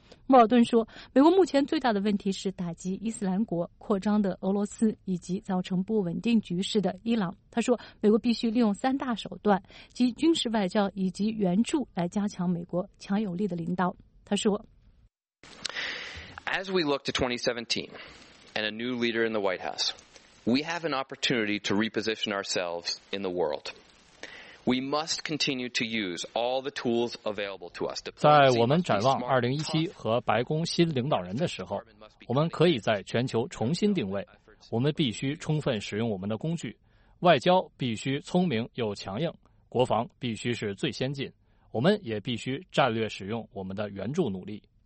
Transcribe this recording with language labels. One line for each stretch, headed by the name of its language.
Chinese: 莫尔顿说，美国目前最大的问题是打击伊斯兰国扩张的俄罗斯以及造成不稳定局势的伊朗。他说，美国必须利用三大手段，即军事、外交以及援助，来加强美国强有力的领导。他说，
English: As we look to 2017 and a new leader in the White House, we have an opportunity to reposition ourselves in the world. We must continue to use all the tools available to us.
Chinese: 在我们展望2017和白宫新领导人的时候，我们可以在全球重新定位。我们必须充分使用我们的工具，外交必须聪明又强硬，国防必须是最先进。我们也必须战略使用我们的援助努力。